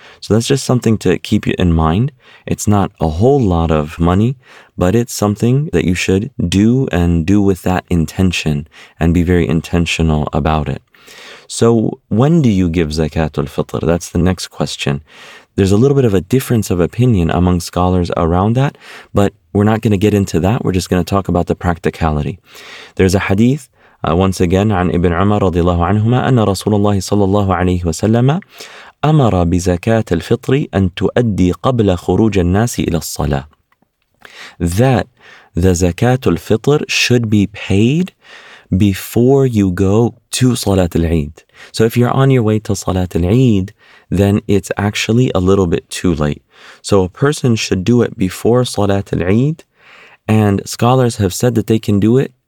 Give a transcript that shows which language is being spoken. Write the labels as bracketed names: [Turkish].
[English] So that's just something to keep in mind. It's not a whole lot of money, but it's something that you should do and do with that intention and be very intentional about it. So when do you give Zakatul Fitr? That's the next question. There's a little bit of a difference of opinion among scholars around that, but we're not going to get into that. We're just going to talk about the practicality. There's a hadith, once again, [Arabic] عن ابن عمر رضي الله عنهما أن رسول الله صلى الله عليه وسلم أمر بزكاة الفطر أن تؤدي قبل خروج الناس إلى الصلاة. [English] That the Zakatul Fitr should be paid before you go to Salat al-Eid. So if you're on your way to Salat al-Eid, then it's actually a little bit too late. So a person should do it before Salat al-Eid. And scholars have said that they can do it